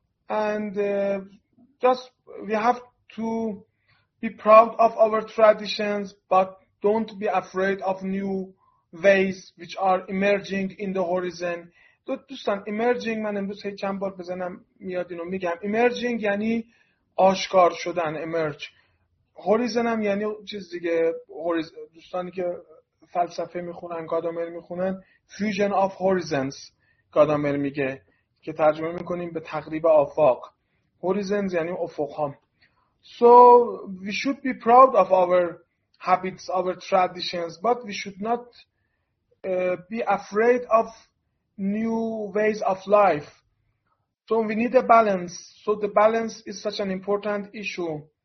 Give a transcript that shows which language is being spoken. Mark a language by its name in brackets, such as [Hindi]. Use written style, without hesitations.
[English] And just we have to be proud of our traditions, but don't be afraid of new ways which are emerging in the horizon. [Persian] دوستان emerging من امروز هی چند بار بزنم میاد اینو میگم. Emerging یعنی آشکار شدن. امرج هوریزن هم یعنی چیز دیگه. دوستانی که فلسفه میخونن گادامر میخونن [English] fusion of horizons [Persian] گادامر میگه که ترجمه میکنیم به تقریب آفاق. هوریزنز یعنی افق ها. [English] So we should be proud of our habits, our traditions, but we should not be afraid of new ways of life. So we need a balance. So the balance is such an important issue.